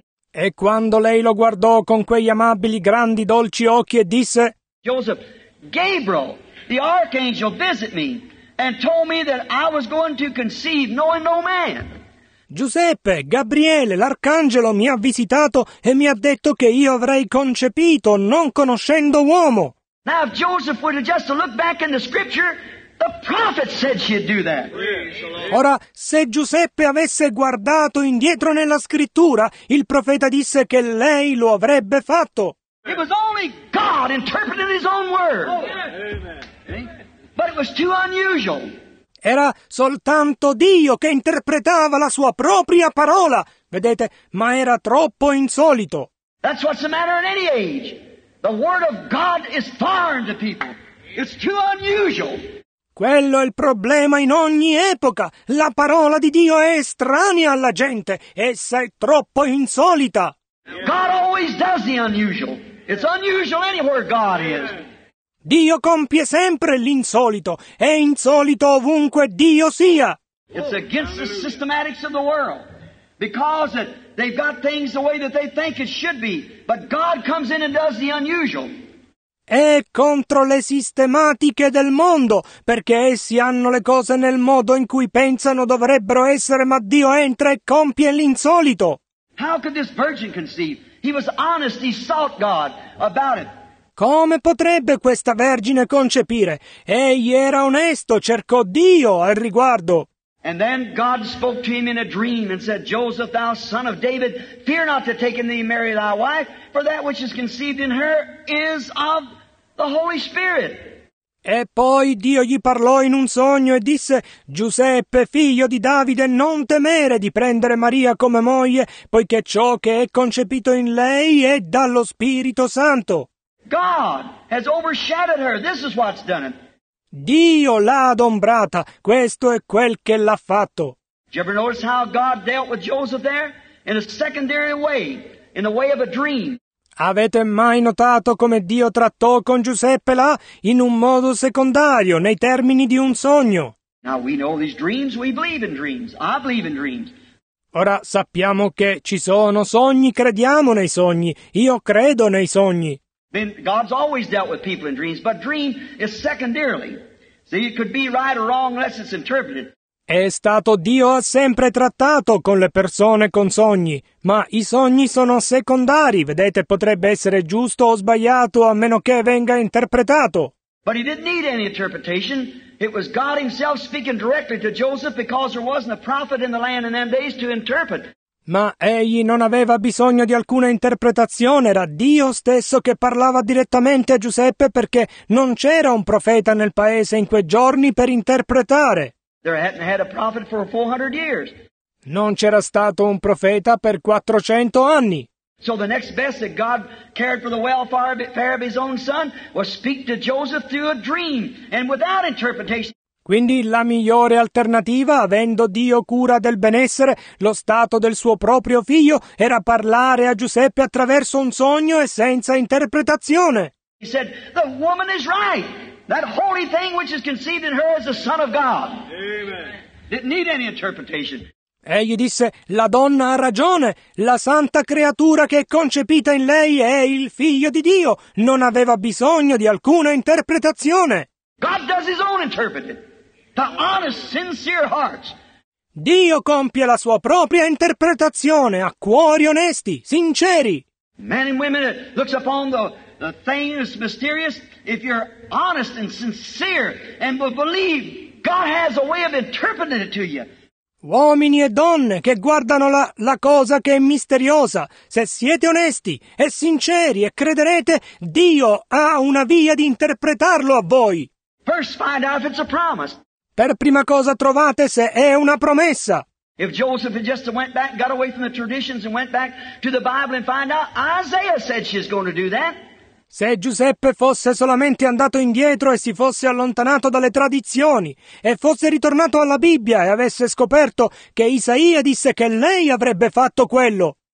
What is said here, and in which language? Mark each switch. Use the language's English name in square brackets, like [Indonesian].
[Italian] E quando lei lo guardò con quegli amabili, grandi, dolci occhi e disse: [English] Joseph, Gabriel, the archangel, visit me. And told me that I was going to conceive knowing no man. [Italian] Giuseppe, Gabriele, l'arcangelo mi ha visitato e mi ha detto che io avrei concepito non conoscendo uomo. [English] Now if Joseph were to just look back in the scripture, the prophet said she'd do that. [Italian] Ora, se Giuseppe avesse guardato indietro nella scrittura, il profeta disse che lei lo avrebbe fatto. [English] It was only God interpreting his own word. But it was too unusual. [Italian] Era soltanto Dio che interpretava la sua propria parola, vedete, ma era troppo insolito. [English] That's what's the matter in any age. The word of God is foreign to people. It's too unusual. [Italian] Quello è il problema in ogni epoca. La parola di Dio è estranea alla gente. Essa è troppo insolita. [English] God always does the unusual. It's unusual anywhere God is. [Italian] Dio compie sempre l'insolito, è insolito ovunque Dio sia. [English] It's against the systematics of the world, because they've got things the way that they think it should be, but God comes in and does the unusual. [Italian] È contro le sistematiche del mondo, perché essi hanno le cose nel modo in cui pensano dovrebbero essere, ma Dio entra e compie l'insolito. [English] How could this virgin conceive? He was honest, he sought God about it. [Italian] Come potrebbe questa Vergine concepire? Egli era onesto, cercò Dio al riguardo. [English] And then God spoke to him in a dream and said, Joseph, thou son of David, fear not to take in thee Mary thy wife, for that which is conceived in her is of the Holy Spirit. [Italian] E poi Dio gli parlò in un sogno e disse, Giuseppe, figlio di Davide, non temere di prendere Maria come moglie, poiché ciò che è concepito in lei è dallo Spirito Santo. [English] God has overshadowed her. This is what's done it. [Italian] Dio l'ha adombrata. Questo è quel che l'ha fatto. [English] Did you ever notice how God dealt with Joseph there? In a secondary way, in the way of a dream. [Italian] Avete mai notato come Dio trattò con Giuseppe là? In un modo secondario, nei termini di un sogno. [English] Now we know these dreams, we believe in dreams. I believe in dreams. [Italian] Ora sappiamo che ci sono sogni, crediamo nei sogni. Io credo nei sogni. [English] Then God's always dealt with people in dreams, but dream is secondarily. See, it could be right or wrong unless it's interpreted. [Italian] È stato Dio ha sempre trattato con le persone con sogni, ma i sogni sono secondari. Vedete, potrebbe essere giusto o sbagliato a meno che venga interpretato. [English] But he didn't need any interpretation. It was God himself speaking directly to Joseph because there wasn't a prophet in the land in them days to interpret. [Italian] Ma egli non aveva bisogno di alcuna interpretazione, era Dio stesso che parlava direttamente a Giuseppe perché non c'era un profeta nel paese in quei giorni per interpretare. [English] There hadn't had a prophet for 400 years. [Italian] Non c'era stato un profeta per 400 anni. [English] So the next best that God cared for the welfare of his own son was speak to Joseph through a dream and without interpretation. [Italian] Quindi la migliore alternativa, avendo Dio cura del benessere, lo stato del suo proprio figlio, era parlare a Giuseppe attraverso un sogno e senza interpretazione. [English] He said, the woman is right. That holy thing which is conceived in her is the Son of God. Amen. Didn't need any interpretation. [Italian] Egli disse, la donna ha ragione, la santa creatura che è concepita in lei è il figlio di Dio, non aveva bisogno di alcuna interpretazione. [English] God does his own interpreting. The honest, sincere hearts. [Italian] Dio compie la sua propria interpretazione a cuori onesti, sinceri. [English] Men and women that looks upon the thing that's mysterious, if you're honest and sincere and believe, God has a way of interpreting it to you. [Italian] Uomini e donne che guardano la cosa che è misteriosa, se siete onesti e sinceri e crederete, Dio ha una via di interpretarlo a voi. [English] First find out if it's a promise. [Italian] Per prima cosa trovate se è una promessa. [English] If Joseph had just went back, got away from the traditions and went back to the Bible and find out, Isaiah said she's going to do that. [Italian] Se Giuseppe fosse solamente andato indietro e si fosse allontanato dalle tradizioni e fosse ritornato alla Bibbia e avesse scoperto che Isaia disse che lei avrebbe fatto quello.